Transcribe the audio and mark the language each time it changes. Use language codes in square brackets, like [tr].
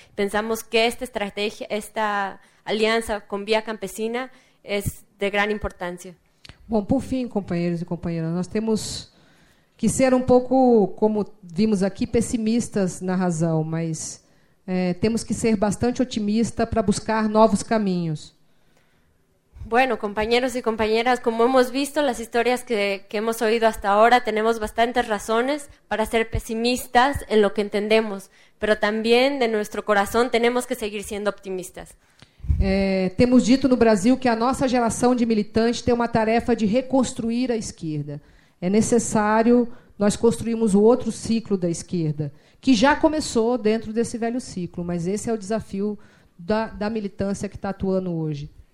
[pt] Pensamos que esta estratégia, esta aliança com Via Campesina é de grande importância. Bom, por fim, companheiros e companheiras, nós temos que ser um pouco, como vimos aqui, pessimistas na razão, mas temos que ser bastante otimistas para buscar novos caminhos. [es] Bueno, [pt] companheiros e companheiras, [es] como hemos visto las historias que hemos oído hasta ahora, tenemos bastantes razones para ser pessimistas en lo que entendemos, pero también de nuestro corazón tenemos que seguir siendo optimistas. [pt] Temos dito no Brasil que a nossa geração de militantes tem uma tarefa de reconstruir a esquerda. É necessário nós construirmos o outro ciclo da esquerda, que já começou dentro desse velho ciclo, mas esse é o desafio da militância que está atuando hoje.